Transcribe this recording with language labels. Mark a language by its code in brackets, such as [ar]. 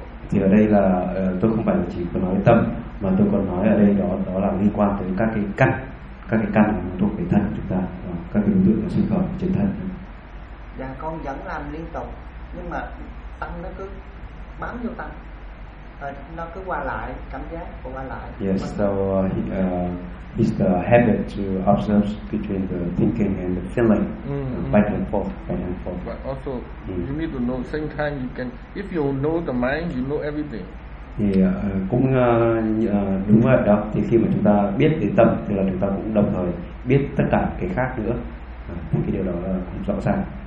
[vi] Thì ở đây là tôi không phải chỉ có nói tâm, mà tôi còn nói ở đây đó là liên quan tới các cái căn thuộc về thân của chúng ta, các cái đối tượng nó sinh khởi trên thân. Dạ, con vẫn làm liên tục, nhưng mà tâm nó cứ bám vô tâm, nó cứ qua lại, cảm giác của qua lại. [en] Yes, so it's the habit to observe between the thinking and the feeling, back and forth. But also, you need to know, same time you can, if you know the mind, you know everything. [vi] Thì cũng đúng rồi đó, thì khi mà chúng ta biết cái tâm thì là chúng ta cũng đồng thời biết tất cả cái khác nữa, thì cái điều đó là cũng rõ ràng.